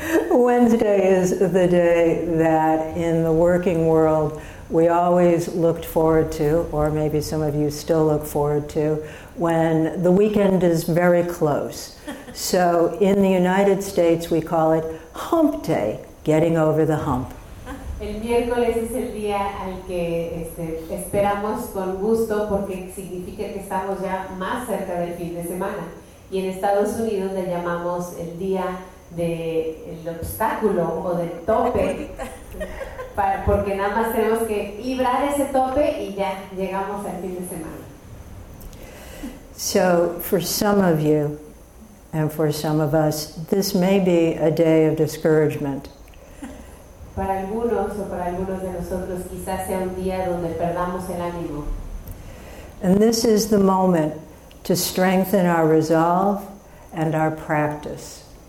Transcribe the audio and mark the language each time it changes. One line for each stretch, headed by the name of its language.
English: Wednesday is the day that in the working world we always looked forward to, or maybe some of you still look forward to, when the weekend is very close. So in the United States we call it hump day, getting over the hump.
Spanish: El miércoles es el día al que esperamos con gusto porque significa que estamos ya más cerca del fin de semana. Y en Estados Unidos le llamamos el día del obstáculo o del tope, porque nada más tenemos que librar ese tope y ya llegamos al fin de semana.
English: So, for some of you, and for some of us, this may be a day of discouragement.
Spanish: Para algunos o para algunos de nosotros quizás sea un día donde perdamos el ánimo.
English: And this is the moment to strengthen our resolve and our practice.